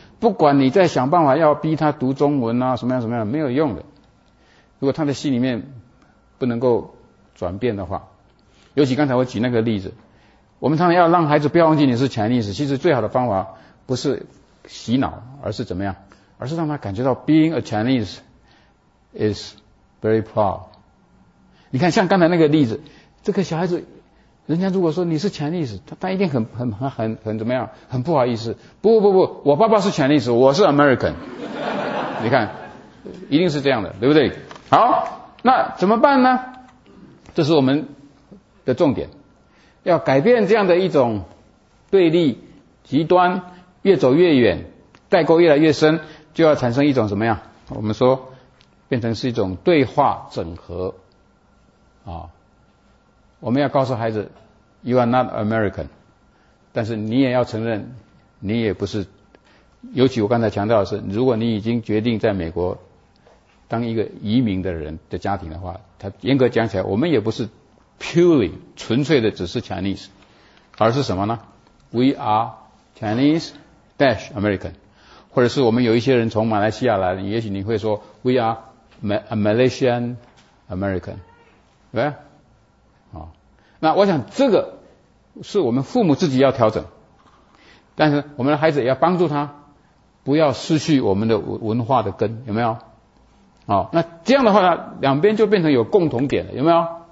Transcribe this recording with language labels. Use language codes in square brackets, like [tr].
[zh] 不管你再想办法要逼他读中文啊，什么样什么样的，没有用的。如果他的心里面不能够转变的话，尤其刚才我举那个例子，我们常常要让孩子不要忘记你是 Chinese， 其实最好的方法不是洗脑，而是怎么样？而是让他感觉到 [en] being a Chinese is very proud。 [zh] 你看像刚才那个例子，这个小孩子人家如果说你是 Chinese， 他一定很怎么样，很不好意思。不，我爸爸是 Chinese， 我是 American。你看一定是这样的，对不对？好，那怎么办呢？这是我们的重点，要改变这样的一种对立极端，越走越远，代沟越来越深，就要产生一种怎么样，我们说变成是一种对话整合啊。我们要告诉孩子 [en] You are not American， [zh] 但是你也要承认你也不是，尤其我刚才强调的是，如果你已经决定在美国当一个移民的人的家庭的话，他严格讲起来我们也不是 purely 纯粹的只是 Chinese， 而是什么呢？ [en] We are Chinese-American， [zh] 或者是我们有一些人从马来西亚来，也许你会说 We are [en] Malaysian American， [zh] 对吧？那我想这个是我们父母自己要调整，但是我们的孩子也要帮助他，不要失去我们的文化的根，有没有？那这样的话呢，两边就变成有共同点了，有没有？